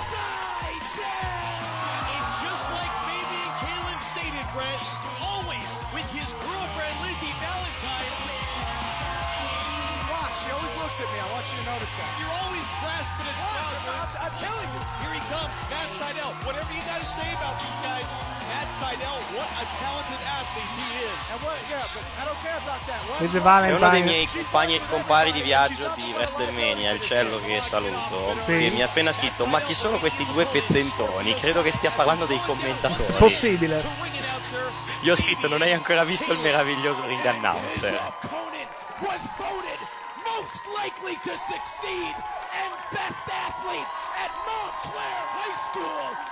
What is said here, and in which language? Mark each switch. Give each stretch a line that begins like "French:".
English: And just like Baby and Kaylin stated, Brett, always with his girlfriend Lizzie Valentine. Watch, she always looks at me. I want you to notice that. You're always blessed, but it's not. I'm telling you. Matt Sydal, whatever you got to say about these guys, Matt Sydal, what a talented athlete he is. And what, yeah, but I don't care about that. What? Lizzie Valentine.
Italian: È uno dei miei compagni e compari di viaggio di WrestleMania, il cielo che saluto. Sì. E mi ha appena scritto, ma chi sono questi due pezzentoni? Credo che stia parlando dei commentatori. Possibile. Gli ho scritto, non hai ancora visto il meraviglioso ring announcer.
English: Was voted most likely to succeed and best athlete at Montclair High School.